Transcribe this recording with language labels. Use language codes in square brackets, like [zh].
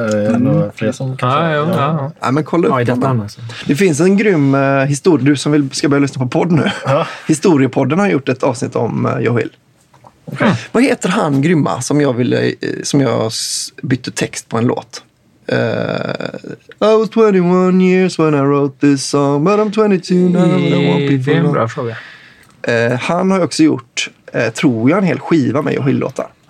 [sv] Det är fler som kanske... Ja. Nej, men kolla upp. Ja, det, det finns en grym historia. Du som ska börja lyssna på podd nu. Ja. Historiepodden har gjort ett avsnitt om Joe Hill. [en] Okay. [sv] Vad heter han grymma som jag ville, som jag bytte text på en låt? [en] I was 21 years when I wrote this song, but I'm 22 now and I won't be for long. [sv] Det är en bra fråga. Han har också gjort, tror jag, en hel skiva med Joe Hill-låtar.